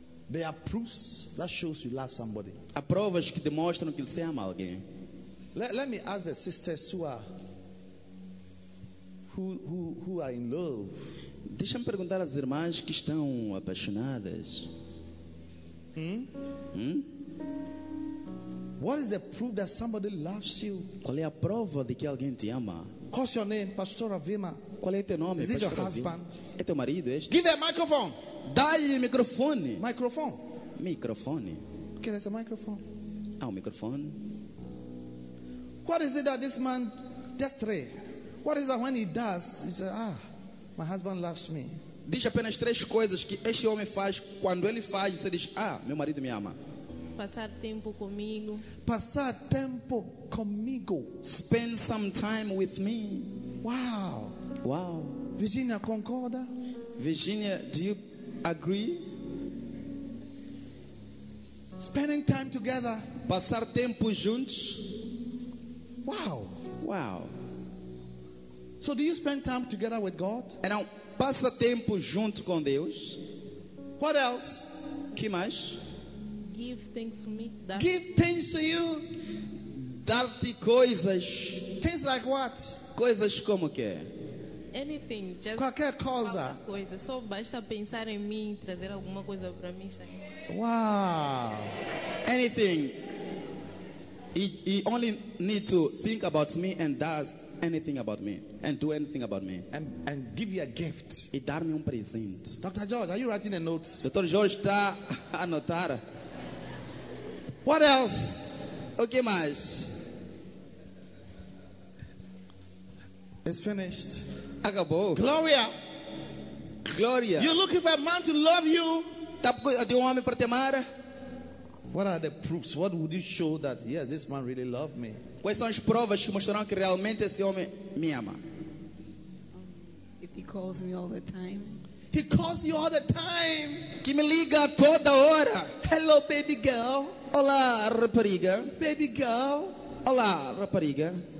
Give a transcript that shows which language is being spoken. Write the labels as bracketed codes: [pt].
[en] There are proofs that shows you love somebody. [pt] Há provas que demonstram que você ama alguém. [en] Let me ask the sisters who are in love. [pt] Deixa-me perguntar às irmãs que estão apaixonadas. [en] What is the proof that somebody loves you? [pt] Qual é a prova de que alguém te ama? [en] What's your name, Pastor Avima? [pt] Qual é teu nome, [en] is Pastor it your husband? [pt] Avima? É teu marido, este? [en] Give her a microphone. [pt] Dá-lhe microfone. [en] Microphone. [pt] Microfone. [en] Okay, there's a microphone. [pt] Ah, microfone. [en] What is it that this man does three? What is that when he does? He says, ah, my husband loves me. [pt] Diz apenas três coisas que este homem faz. Quando ele faz, você diz, ah, meu marido me ama. Passar tempo comigo. Passar tempo comigo. [en] Spend some time with me. Wow. Wow. [pt] Virginia, concorda? [en] Virginia, do you agree? Spending time together. [pt] Passar tempo juntos. Wow. Wow. [en] So do you spend time together with God? [pt] Então, passa tempo junto com Deus. [en] What else? [pt] Que mais? [en] Give things to me. Give things to you. [pt] Dar-te coisas. [en] Things like what? [pt] Coisas como que? [en] Anything. Just [pt] qualquer coisa. Coisa. Só basta pensar em mim e trazer alguma coisa para mim. Wow. [en] Anything. He only need to think about me and does anything about me and do anything about me and give you a gift. [pt] E dar-me presente. [en] Dr. George, are you writing a note? [pt] Dr. George está a anotar. [en] What else? [pt] O que mais? [en] It's finished. [pt] Acabou. Gloria. Gloria. [en] You're looking for a man to love you. [pt] Tá procurando um homem para te amar? [en] What are the proofs? What would you show that, yes, this man really loved me? [pt] Quais são as provas que mostrarão que realmente esse homem me ama? [en] If he calls me all the time. He calls you all the time. [pt] Que me liga toda hora. [en] Hello, baby girl. [pt] Olá, rapariga. [en] Baby girl. [pt] Olá, rapariga.